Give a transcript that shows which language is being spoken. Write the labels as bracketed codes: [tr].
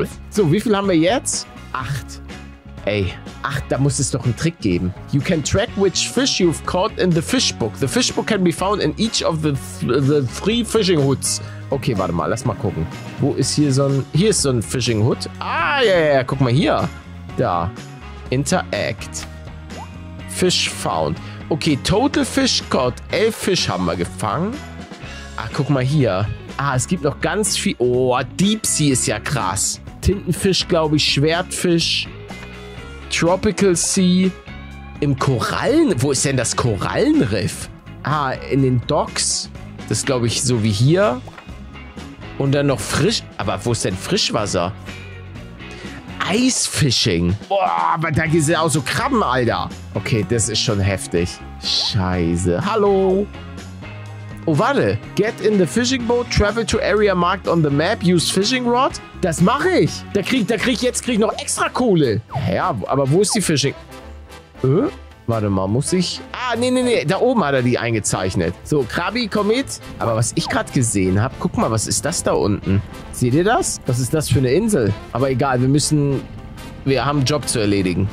[de] So, wie viel haben wir jetzt? 8. Ey, 8, da muss es doch einen Trick geben. [en] You can track which fish you've caught in the fish book. The fish book can be found in each of the 3 fishing hoods. [de] Okay, warte mal, lass mal gucken. Wo ist hier so ein... Hier ist so ein fishing hood. Ah, ja, guck mal hier. Da. [en] Interact. Fish found. Okay, total fish caught. [de] 11 Fish haben wir gefangen. Ah, guck mal hier. Ah, es gibt noch ganz viel. Oh, Deep Sea ist ja krass. Tintenfisch, glaube ich. Schwertfisch. Tropical Sea. Im Korallen. Wo ist denn das Korallenriff? Ah, in den Docks. Das glaube ich so wie hier. Und dann noch Frisch. Aber wo ist denn Frischwasser? Eisfishing. Boah, aber da sind auch so Krabben, Alter. Okay, das ist schon heftig. Scheiße. Hallo. Oh, warte. [en] Get in the fishing boat, travel to area marked on the map, use fishing rod. [de] Das mache ich. Jetzt kriege ich noch extra Kohle. Ja, aber wo ist die Fishing? Warte mal, muss ich... Ah, nee. Da oben hat er die eingezeichnet. So, Krabi, komm mit. Aber was ich gerade gesehen habe, guck mal, was ist das da unten? Seht ihr das? Was ist das für eine Insel? Aber egal, wir haben einen Job zu erledigen.